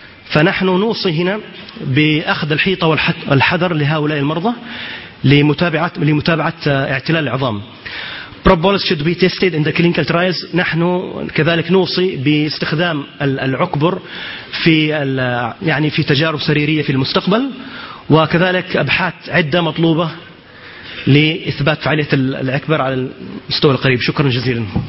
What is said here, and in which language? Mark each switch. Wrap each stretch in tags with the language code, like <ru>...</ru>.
<ar>فنحن نوصي هنا بأخذ الحيطة والحذر لهؤلاء المرضى لمتابعة اعتلال العظام.</ar> <en>Propolis should be tested in the clinical trials.</en> <ar>نحن كذلك نوصي باستخدام العكبر في يعني في تجارب سريرية في المستقبل, وكذلك أبحاث عدة مطلوبة لإثبات فعالية العكبر على المستوى القريب. شكرا جزيلا.</ar>